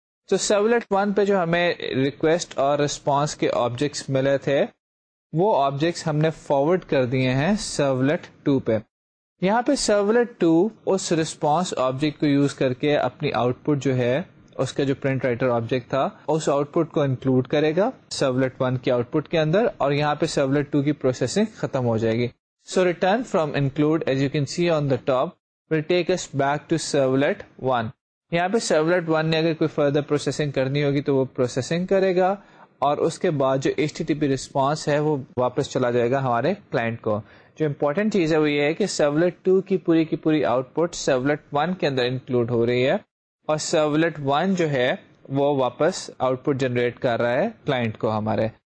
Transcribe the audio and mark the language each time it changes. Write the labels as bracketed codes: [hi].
[ur] تو سرولیٹ 1 پہ جو ہمیں ریکویسٹ اور ریسپانس کے آبجیکٹس ملے تھے وہ آبجیکٹس ہم نے فارورڈ کر دیے ہیں سرولیٹ 2 پہ. یہاں پہ سرولیٹ 2 اس ریسپانس آبجیکٹ کو یوز کر کے اپنی آؤٹ پٹ جو ہے اس کا جو پرنٹ رائٹر آبجیکٹ تھا اس آؤٹ پٹ کو انکلوڈ کرے گا سرولیٹ 1 کے آؤٹ پٹ کے اندر, اور یہاں پہ سرولیٹ 2 کی پروسیسنگ ختم ہو جائے گی. [en] So return from include, as you can see on the top, will take us back to servlet 1. [ur] یہاں پہ servlet 1 نے اگر کوئی further processing کرنی ہوگی تو وہ processing کرے گا, اور اس کے بعد جو HTTP response ہے وہ واپس چلا جائے گا ہمارے client کو. جو important چیز ہے وہ یہ ہے کہ servlet 2 کی پوری output servlet 1 کے اندر include ہو رہی ہے, اور servlet 1 جو ہے وہ واپس output generate کر رہا ہے client کو ہمارے.